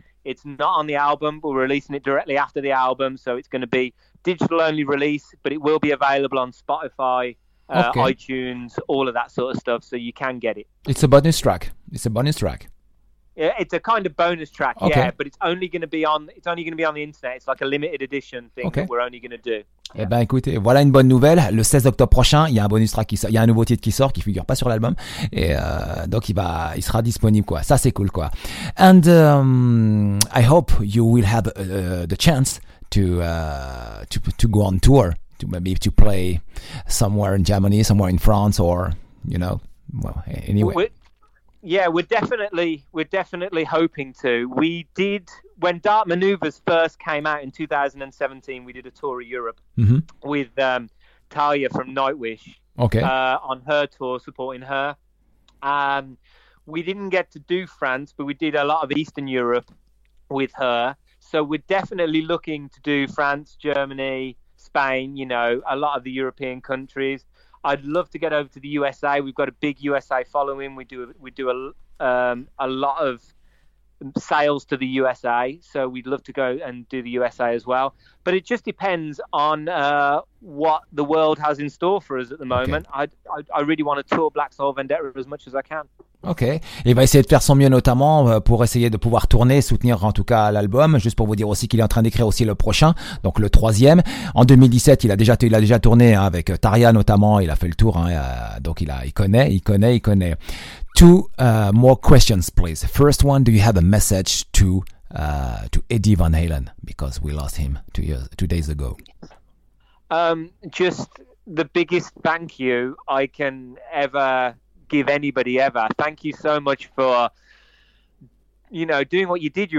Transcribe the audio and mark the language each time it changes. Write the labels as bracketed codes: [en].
[en] It's not on the album. We're releasing it directly after the album, so it's going to be digital only release, but it will be available on Spotify, iTunes, all of that sort of stuff, so you can get it. It's a bonus track. It's a bonus track. Yeah, it's a kind of bonus track. Okay. Yeah, but it's only going to be on. It's only going to be on the internet. It's like a limited edition thing that we're only going to do. [fr] Yeah. Eh ben écoutez, voilà une bonne nouvelle. Le 16 octobre prochain, il y a un bonus track qui sort, il y a un nouveau titre qui sort qui figure pas sur l'album et donc il sera disponible quoi. Ça c'est cool quoi. [en] And I hope you will have the chance to go on tour, to maybe to play somewhere in Germany, somewhere in France, or you know, well anyway. We're definitely hoping to. We did. When Dark Maneuvers first came out in 2017, we did a tour of Europe with Talia from Nightwish on her tour, supporting her. We didn't get to do France, but we did a lot of Eastern Europe with her. So we're definitely looking to do France, Germany, Spain, you know, a lot of the European countries. I'd love to get over to the USA. We've got a big USA following. We do a lot of sales to the USA, so we'd love to go and do the USA as well, but it just depends on what the world has in store for us at the moment. I really want to tour Black Soul Vendetta as much as I can. [fr] Ok, il va essayer de faire son mieux, notamment pour essayer de pouvoir tourner, soutenir en tout cas l'album, juste pour vous dire aussi qu'il est en train d'écrire aussi le prochain, donc le troisième. En 2017, il a déjà tourné avec Taria notamment, il a fait le tour, donc il connaît. [en] Two more questions, please. First one, do you have a message to Eddie Van Halen, because we lost him two days ago? Just the biggest thank you I can ever give anybody ever. Thank you so much for, you know, doing what you did.